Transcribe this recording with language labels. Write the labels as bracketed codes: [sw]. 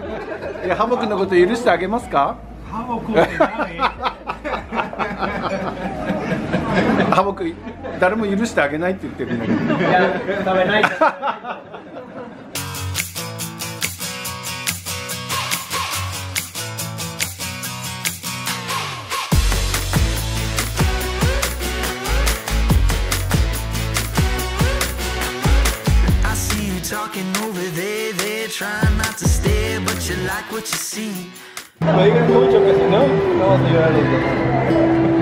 [ja] 40分。うー。60分。うー。でも面白い目してるね。大丈夫。大丈夫、大丈夫。昨日どこで寝たんだ、火事。大丈夫。食べれるかな、食べて。うん、食べました。はい。リケンさん、許してあげますか?ハモ君のこと許してあげますか? [en] I see you talking over there, they're trying not to stare, but you like what you see. [es] No digas mucho que si no, vamos a llorar.